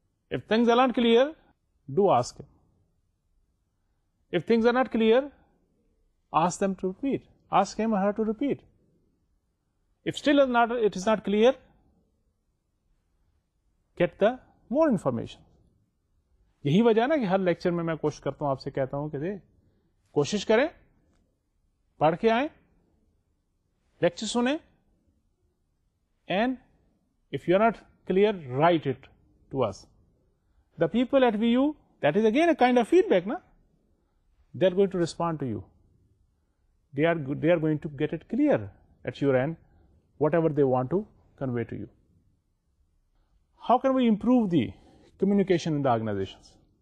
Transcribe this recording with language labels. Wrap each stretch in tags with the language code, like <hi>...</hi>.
<en>If things are not clear, do ask him. If things are not clear, ask them to repeat. Ask him or her to repeat. If still it is not clear, get the more information.</en> <ur>یہی وجہ نا کہ ہر lecture میں میں کوشش کرتا ہوں, آپ سے کہتا ہوں کہ کوشش کریں, پڑھ کے آئیں, لیکچر سنیں,</ur> <en>and if you are not clear, write it to us. The people at VU, that is again a kind of feedback, na? They are going to respond to you. They are going to get it clear at your end, whatever they want to convey to you. How can we improve the communication in the organizations?</en>